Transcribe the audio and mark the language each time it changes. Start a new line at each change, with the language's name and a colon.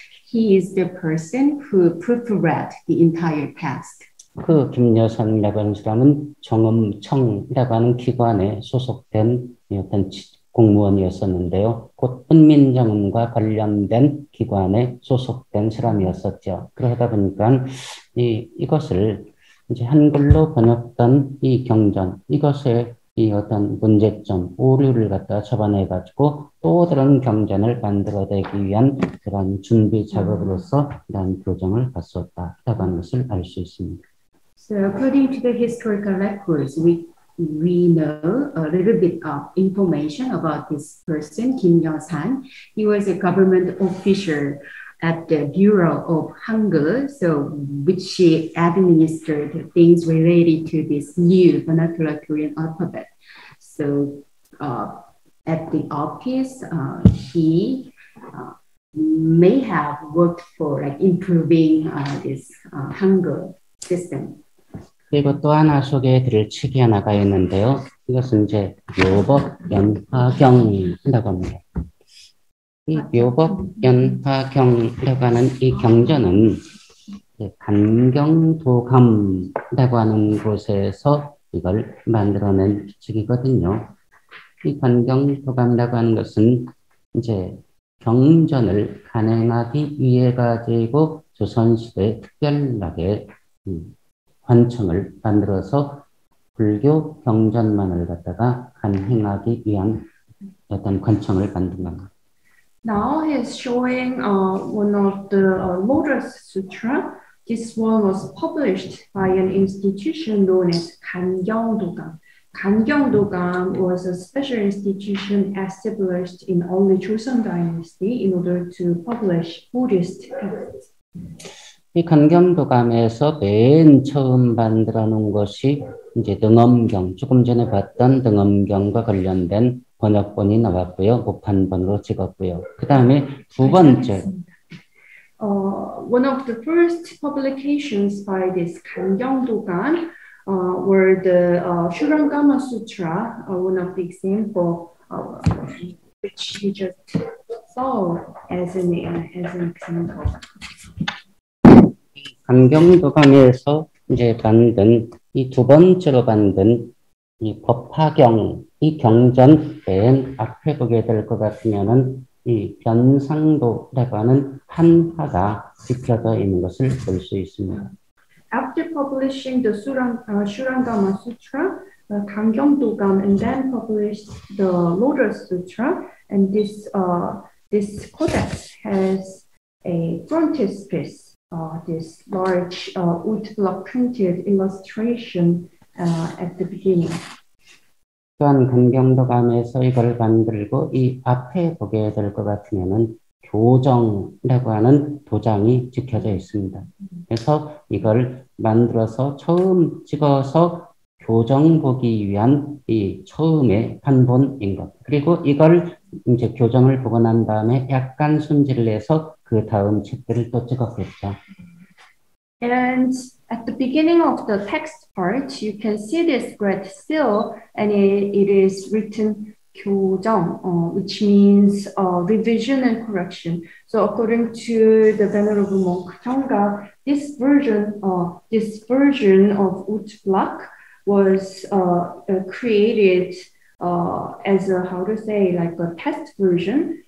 English: He is the person who proofread the entire text.
Korean: 그 김여산이라고 하는 사람은 정음청이라고 하는 기관에 소속된 어떤 공무원이었었는데요. 곧 훈민정음과 관련된 기관에 소속된 사람이었었죠. 그러다 보니까 이것을 이제 한글로 번역된 이 경전, 이것의 이 어떤 문제점, 오류를 갖다 잡아내가지고 또 다른 경전을 만들어내기 위한 그런 준비 작업으로서 이런 교정을 갔었다라고 하는 것을 알 수 있습니다.
English: So according to the historical records, we know a little bit of information about this person, Kim Yeo-san. He was a government official at the Bureau of Hangul, so which she administered things related to this new vernacular Korean alphabet. So at the office, he may have worked for like improving this Hangul system.
Korean: 그리고 또 하나 소개해 드릴 책이 하나가 있는데요. 이것은 이제 묘법연화경이라고 합니다. 이 묘법연화경이라고 하는 이 경전은 관경도감이라고 하는 곳에서 이걸 만들어낸 책이거든요. 이 관경도감이라고 하는 것은 이제 경전을 간행하기 위해 가지고 조선시대 특별하게 관청을 만들어서 불교 경전만을 갖다가 간행하기 위한 어떤 관청을 만든 겁니다.
English: Now he is showing one of the Lotus Sutra. This one was published by an institution known as 간경도감. 간경도감 was a special institution established in only Joseon Dynasty in order to publish Buddhist texts.
Korean: 이 관경도감에서 맨 처음 만들어 놓은 것이 이제 등엄경, 조금 전에 봤던 등엄경과 관련된 번역본이 나왔고요. 목판본으로 찍었고요. 그 다음에 두 번째.
English: One of the first publications by this 관경도감 were the Shurangama Sutra, one of the examples which we just saw as an example.
Korean: 관경도감에서 이제 만든 이 두 번째로 만든 이 법화경 이 경전 맨 앞에 보게 될 것 같으면은 이 변상도라고 하는 한화가 찍혀져 있는 것을 볼 수 있습니다.
English: After publishing the Shurangama Sutra, 관경도감 and then published the Lotus Sutra, and this codex has a frontispiece. This large woodblock printed illustration at the beginning.
Korean: 또한 관경도감에서 이걸 만들고 이 앞에 보게 될 것 같으면은 교정이라고 하는 도장이 찍혀져 있습니다. 그래서 이걸 만들어서 처음 찍어서 교정 보기 위한 이 처음의 판본인 것. 그리고 이걸 이제 교정을 보고 난 다음에 약간 손질을 해서 그 다음 책들을 또 찍었겠죠.
English: And at the beginning of the text part, you can see this red seal, and it is written 교정, which means revision and correction. So according to the Venerable Monk Jeonggap, this version of woodblock was created as a, how to say, like a test version.